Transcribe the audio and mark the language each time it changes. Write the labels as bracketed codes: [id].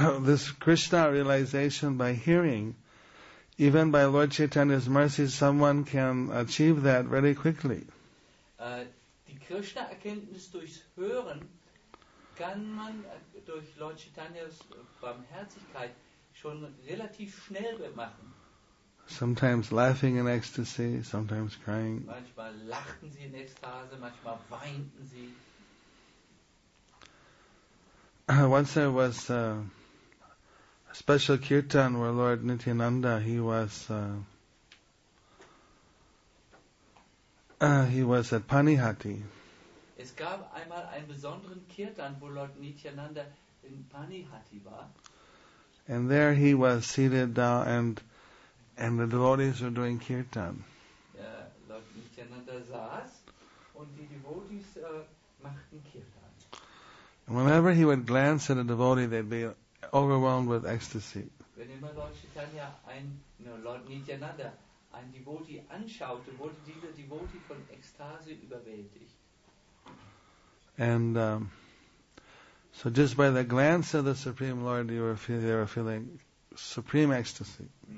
[en] This Krishna realization by hearing, even by Lord Chaitanya's mercy, someone can achieve that very quickly. [de] Die Krishna-Erkenntnis durchs Hören kann man durch Lord Chaitanya's Barmherzigkeit schon relativ schnell machen. [en] Sometimes laughing in ecstasy, sometimes crying. [de] Manchmal lachten sie in Ekstase, manchmal weinten sie. [en] Once there was a special kirtan where Lord Nityananda, he was at Panihati. [de] Es gab einmal einen besonderen Kirtan, wo Lord Nityananda in Panihati war. [en] And there he was seated down and the devotees were doing kirtan. [de] Lord Nityananda saß und die devotees machten kirtan. [en] Whenever he would glance at a devotee, they'd be overwhelmed with ecstasy. [de] Wenn immer Lord Chaitanya Lord Nityananda ein Devotee anschaute, wurde dieser Devotee von Ekstase überwältigt. [en] And so just by the glance of the Supreme Lord, they were feeling supreme ecstasy.